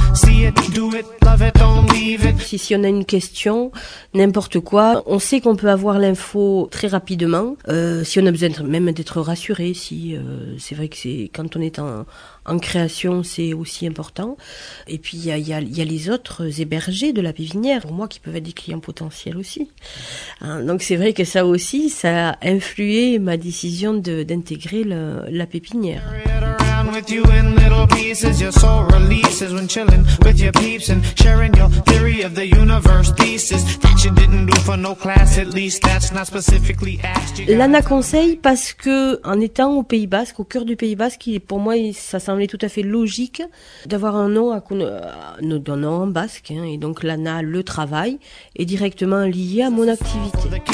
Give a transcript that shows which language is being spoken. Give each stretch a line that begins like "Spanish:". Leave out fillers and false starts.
English: See it, do it, love it, don't leave it.
French: Si on a une question, n'importe quoi, on sait qu'on peut avoir l'info très rapidement. Si on a besoin même d'être rassuré, si c'est vrai que c'est quand on est en création, c'est aussi important. Et puis il y a les autres hébergés de la pépinière, pour moi, qui peuvent être des clients potentiels aussi. Donc c'est vrai que ça aussi, ça a influé ma décision d'intégrer la pépinière.
English: With you in little pieces, your soul releases when chilling with your peeps and sharing your theory of the universe thesis that you didn't do for no class, at least that's not specifically asked.
French: Lana conseille parce que en étant au Pays Basque, au cœur du Pays Basque, pour moi ça semblait tout à fait logique d'avoir un nom en basque, hein, et donc Lana, le travail est directement lié à mon activité.